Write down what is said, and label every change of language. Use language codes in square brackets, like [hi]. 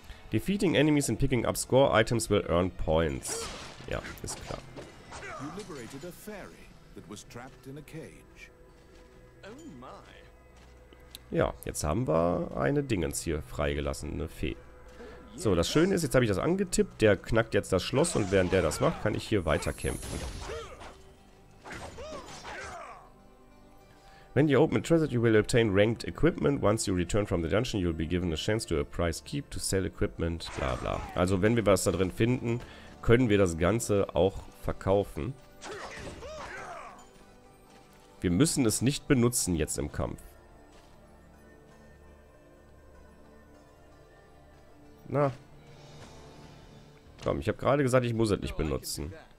[en] Defeating enemies and picking up score items will earn points. [de] Ja, ist klar. [en] You liberated a fairy that was trapped in a cage. Oh my. [de] Ja, jetzt haben wir eine Dingens hier freigelassen, eine Fee. So, das Schöne ist, jetzt habe ich das angetippt, der knackt jetzt das Schloss und während der das macht, kann ich hier weiterkämpfen. [en] When you open a treasure, you will obtain ranked equipment. Once you return from the dungeon, you'll be given a chance to a prize keep to sell equipment, bla bla. [de] Also wenn wir was da drin finden, können wir das Ganze auch verkaufen. Wir müssen es nicht benutzen jetzt im Kampf. Na. Komm, ich habe gerade gesagt, ich muss es nicht benutzen.